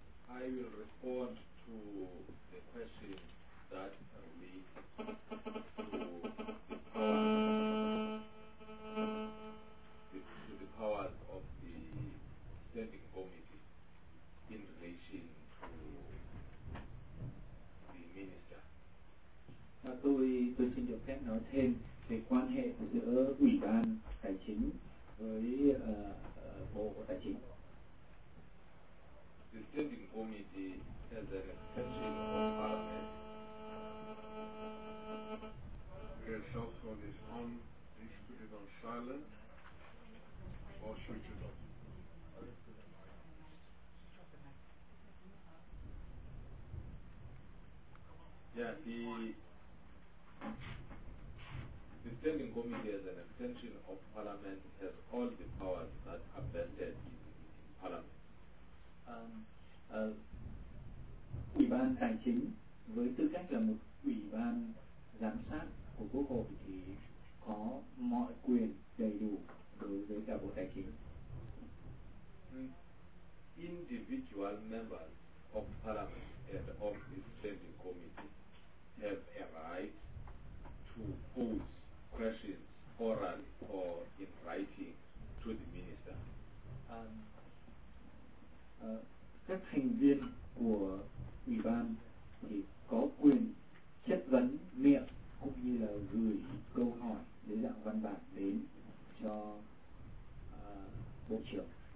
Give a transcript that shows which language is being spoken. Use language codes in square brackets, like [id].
[en] I will respond to the question that leads to the powers of the Standing Committee in relation to the Minister. [vi] Tôi xin được phép nói thêm về quan hệ giữa Ủy ban Tài chính với Bộ Tài chính. [en] The Standing Committee has an extension of Parliament. We are shocked for this on this period on silent or switch it off. Yeah, the Standing Committee as an extension of Parliament has all the powers that are vested in Parliament. [vi] Ủy ban Tài chính với tư cách là một ủy ban giám sát của Quốc hội thì có mọi quyền đầy đủ đối với cả Bộ Tài chính. [en] Individual members of Parliament and of the Standing Committee have a right to pose questions orally or in writing to the Minister. [vi] Các thành viên của ủy ban thì có quyền chất vấn miệng cũng như là gửi câu hỏi dưới dạng văn bản đến cho Bộ trưởng.